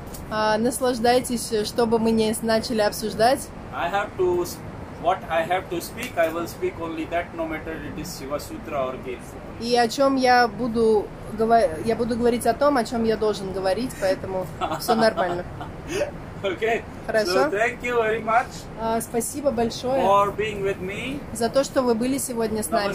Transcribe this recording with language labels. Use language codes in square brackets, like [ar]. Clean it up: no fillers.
[ru] Наслаждайтесь, чтобы мы не начали обсуждать. [en] I have to... What I have to speak, I will speak only that, no matter it is Shiva Sutra or Gate Four. [ru] И о чем я буду говорить о том, о чем я должен говорить, поэтому все нормально. [en] Okay. [ru] Хорошо. [en] So thank you very much. [ru] Спасибо большое. [en] For being with me. [ru] За то, что вы были сегодня с нами.